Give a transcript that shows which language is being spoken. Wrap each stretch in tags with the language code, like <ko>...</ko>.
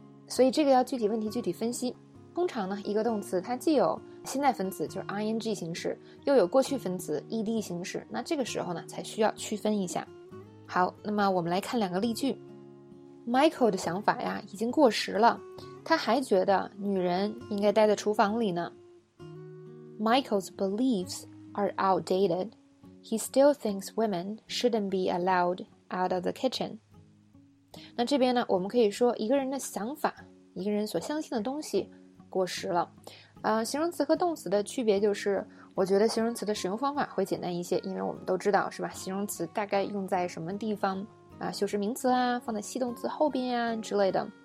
<zh>所以这个要具体问题具体分析。通常呢，一个动词它既有现在分词，就是 ing 形式，又有过去分词 ed 形式，那这个时候呢，才需要区分一下。好，那么我们来看两个例句。Michael 的想法呀已经过时了，他还觉得女人应该待在厨房里呢。</zh> <en>Michael's beliefs are outdated. He still thinks women shouldn't be allowed out of the kitchen.</en> <zh>那这边呢，我们可以说一个人的想法，一个人所相信的东西过时了。形容词和动词的区别就是，我觉得形容词的使用方法会简单一些，因为我们都知道是吧，形容词大概用在什么地方啊，修饰名词啊，放在系动词后边啊之类的。</zh>